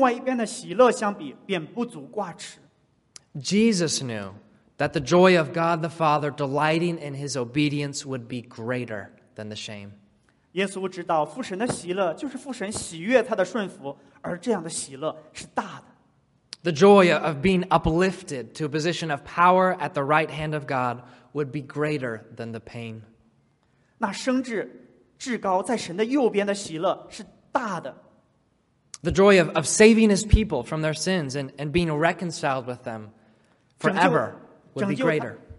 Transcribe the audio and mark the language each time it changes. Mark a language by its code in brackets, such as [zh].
[zh] 这意味着他认为羞辱与在另外一边的喜乐相比便不足挂齿。 [en] Jesus knew that the joy of God the Father delighting in his obedience would be greater than the shame. [zh] 耶稣知道父神的喜乐就是父神喜悦他的顺服，而这样的喜乐是大的。 [en] The joy of being uplifted to a position of power at the right hand of God would be greater than the pain. [zh] 那升至至高在神的右边的喜乐是大的。 [en] The joy of saving his people from their sins and being reconciled with them forever would be greater.